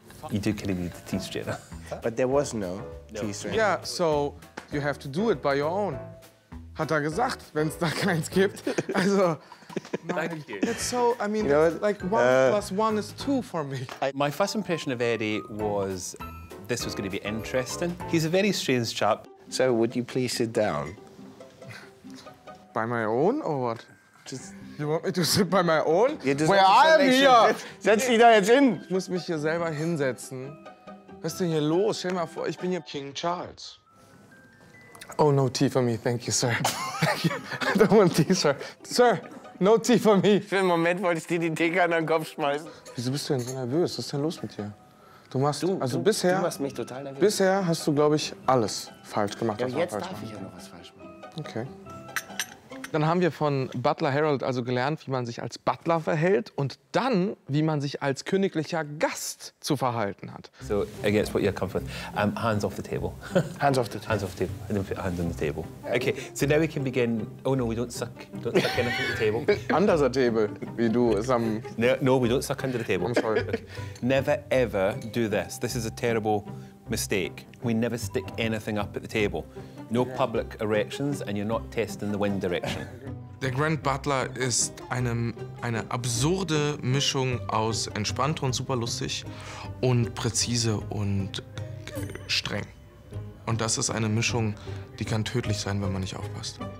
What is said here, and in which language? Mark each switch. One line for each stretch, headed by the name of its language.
English: You do kind of need the tea strainer. But there was no tea strainer. Yeah, so you have to do it by your own.
German: Hat er gesagt, wenn es da keins gibt. Also,
English: thank you. It's so, I mean, you know, like one plus one is two for me. My first impression of Eddie was this was going to be interesting. He's a very strange chap. So, would you please sit down? By my own or what? You want me to sit by my own? Yeah, where I am here?
German: Setz dich da jetzt hin. Ich muss mich hier selber hinsetzen. Was ist denn hier los? Stell dir mal vor, ich bin hier King Charles.
English: Oh, no tea for me, thank you, sir. I don't want tea, sir. Sir, no tea for me.
German: Für einen Moment wollte ich dir die Theke an den Kopf schmeißen. Wieso bist du denn so nervös? Was ist denn los mit dir? Du machst, machst mich total nervös. Bisher hast du, glaube ich, alles falsch gemacht. Ja, jetzt darf ich ja noch was falsch machen. Okay. Dann haben wir von Butler Harold also gelernt, wie man sich als Butler verhält und dann, wie man sich als königlicher Gast zu verhalten hat.
English: So, again, it's what you're comfort. Hands off the table. Hands off the table. Hands off the table. And then put hands on the table. Okay, so now we can begin. Oh no, we don't suck. Don't suck anything at the table. Under the table. We do some. No, we don't suck under the table. I'm sorry. Okay. Never ever do this. This is a terrible mistake. We never stick anything up at the table. No public erections and you're not testing the wind direction.
German: Der Grand Butler ist eine absurde Mischung aus entspannt und super lustig und präzise und streng. Und das ist eine Mischung, die kann tödlich sein, wenn man nicht aufpasst.